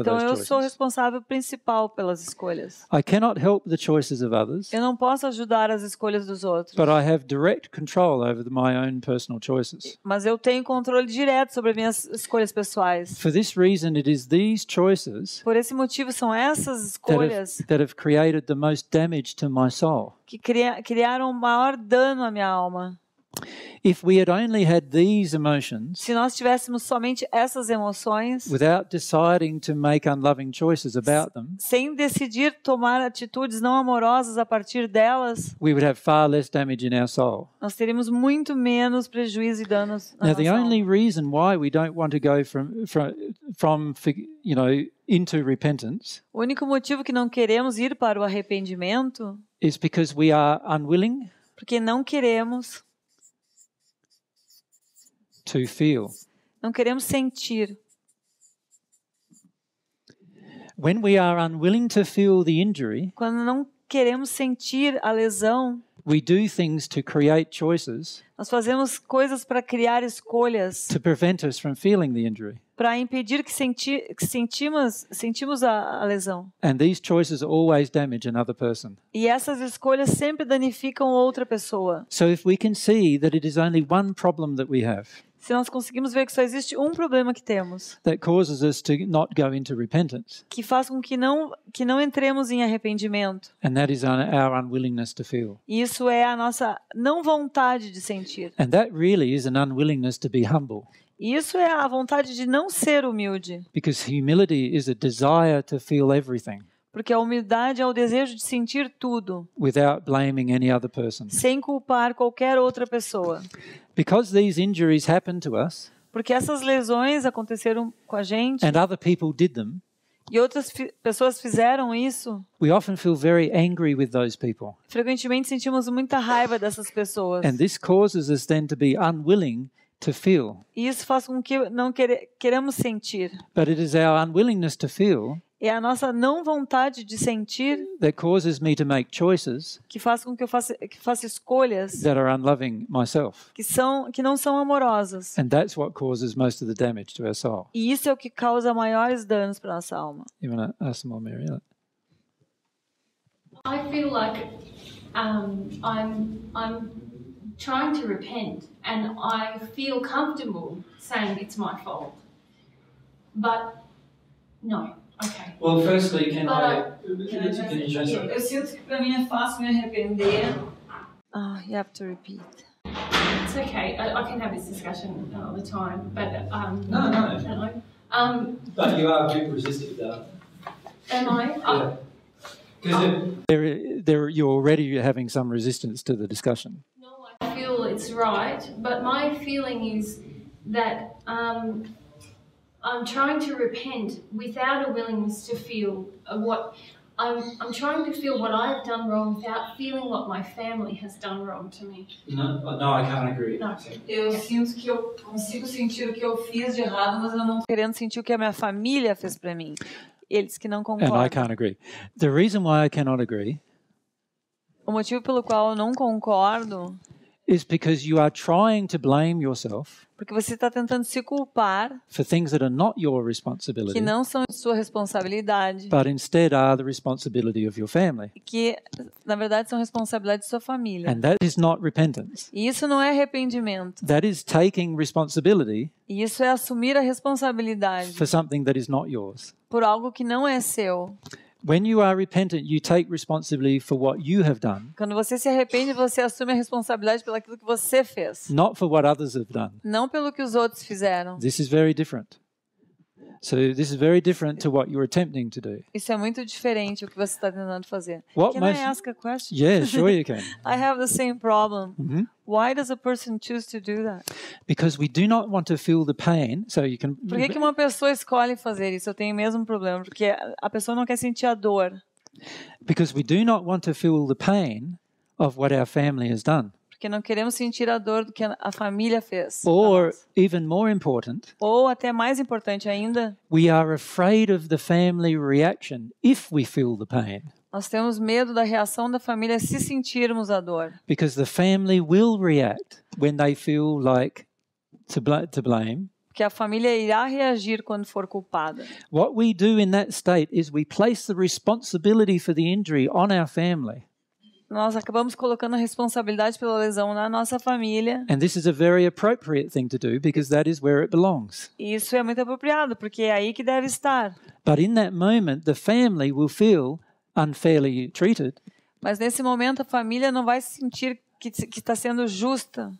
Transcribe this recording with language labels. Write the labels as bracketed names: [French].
[Portuguese] então [English] those choices. [Portuguese] Então eu sou responsável principal pelas escolhas. [English] I cannot help the choices of others. [Portuguese] Eu não posso ajudar as escolhas dos outros. [English] But I have direct control over my own personal choices. [Portuguese] Mas eu tenho controle direto sobre minhas escolhas pessoais. [English] For this reason, it is these choices. [Portuguese] Por esse motivo são essas escolhas. [English] That have created the most damage to my soul. [Portuguese] Que criaram o maior dano à minha alma. [English] If we had only had these emotions, [Portuguese] se nós tivéssemos somente essas emoções, [English] without deciding to make unloving choices about them, [Portuguese] sem decidir tomar atitudes não amorosas a partir delas, [English] we would have far less damage in our soul. [Portuguese] Nós teríamos muito menos prejuízo e danos na nossa alma. [English] Now the only reason why we don't want to go from into repentance, [Portuguese] o único motivo que não queremos ir para o arrependimento, [English] is because we are unwilling, [Portuguese] porque não queremos [English] to feel. [Portuguese] Não queremos sentir. [English] When we are unwilling to feel the injury, [Portuguese] quando não queremos sentir a lesão, [English] we do things to create choices. [Portuguese] Nós fazemos coisas para criar escolhas. [English] To prevent us from feeling the injury. [Portuguese] Para impedir que sentimos a lesão. [English] And these choices always damage another person. [Portuguese] E essas escolhas sempre danificam outra pessoa. [English] So if we can see that it is only one problem that we have. [Portuguese] Se nós conseguimos ver que só existe um problema que temos. [English] That causes us to not go into repentance. [Portuguese] Que faz com que não entremos em arrependimento. [English] And that is our unwillingness to feel. [Portuguese] E isso é a nossa não vontade de sentir. [English] And that really is an unwillingness to be humble. [Portuguese] E isso é a vontade de não ser humilde. [English] Because humility is a desire to feel everything. [Portuguese] Porque a humildade é o desejo de sentir tudo. [English] Without blaming any other person. [Portuguese] Sem culpar qualquer outra pessoa. [English] Because these injuries happened to us. [Portuguese] Porque essas lesões aconteceram com a gente. [English] And other people did them. [Portuguese] E outras pessoas fizeram isso. [English] We often feel very angry with those people. [Portuguese] Frequentemente sentimos muita raiva dessas pessoas. [English] And this causes us then to be unwilling to feel. [Portuguese] E isso faz com que não queremos sentir. [English] But it is our unwillingness to feel. [Portuguese] É a nossa não vontade de sentir [English] that causes me to make choices [Portuguese] que faz com que eu faça escolhas [English] that are unloving myself. [Portuguese] Que não são amorosas. [English] And that's what causes most of the damage to our soul. [Portuguese] E isso é o que causa maiores danos para a nossa alma. [English] You wanna ask more, Mary? I feel like I'm trying to repent and I feel comfortable saying it's my fault. But no. Okay. Well, firstly, can but [Portuguese] I sinto que para mim é fácil me arrepender. [English] Ah, you have to repeat. It's okay. I can have this discussion all the time, but But you are a bit resistive though. Am I? Yeah. You're already having some resistance to the discussion. No, I feel it's right, but my feeling is that I'm trying to repent without a willingness to feel what I'm trying to feel what I've done wrong without feeling what my family has done wrong to me. No, I can't agree. [Portuguese] Eu sinto que eu consigo sentir o que eu fiz de errado, mas eu não querendo sentir o que a minha família fez para mim. Eles que não concordam. [English] And I can't agree. The reason why I cannot agree [Portuguese] o motivo pelo qual eu não concordo [English] is because you are trying to blame yourself [Portuguese] porque você está tentando se culpar [English] for things that are not your responsibility, [Portuguese] que não são sua responsabilidade [English] but instead are the responsibility of your family. [Portuguese] Que, na verdade, são responsabilidade de sua família. [English] And that is not repentance. [Portuguese] E isso não é arrependimento. [English] That is taking responsibility [Portuguese] e isso é assumir a responsabilidade [English] for something that is not yours. [Portuguese] Por algo que não é seu. [English] When you are repentant, you take responsibility for what you have done. [Portuguese] Quando você se arrepende, você assume a responsabilidade pelo aquilo que você fez. [English] Not for what others have done. [Portuguese] Não pelo que os outros fizeram. [English] This is very different. So this is very different to what you're attempting to do. [Portuguese] Isso é muito diferente o que você está tentando fazer. [English] Can I ask a question? Yeah, sure you can. I have the same problem. Mm-hmm. Why does a person choose to do that? Because we do not want to feel the pain, so you can. [Portuguese] Por que uma pessoa escolhe fazer isso? Eu tenho o mesmo problema, porque a pessoa não quer sentir a dor. [English] Because we do not want to feel the pain of what our family has done. [Portuguese] Porque não queremos sentir a dor do que a família fez. [English] Or even more important. [Portuguese] Ou até mais importante ainda. [English] We are afraid of the family reaction if we feel the pain. [Portuguese] Nós temos medo da reação da família se sentirmos a dor. [English] Because the family will react when they feel like to blame. [Portuguese] Porque a família irá reagir quando for culpada. [English] What we do in that state is we place the responsibility for the injury on our family. [Portuguese] Nós acabamos colocando a responsabilidade pela lesão na nossa família. [English] And this is a very appropriate thing to do because that is where it belongs. [Portuguese] Isso é muito apropriado porque é aí que deve estar. [English] But in that moment, the family will feel unfairly treated. [Portuguese] Mas nesse momento a família não vai sentir que está sendo justa.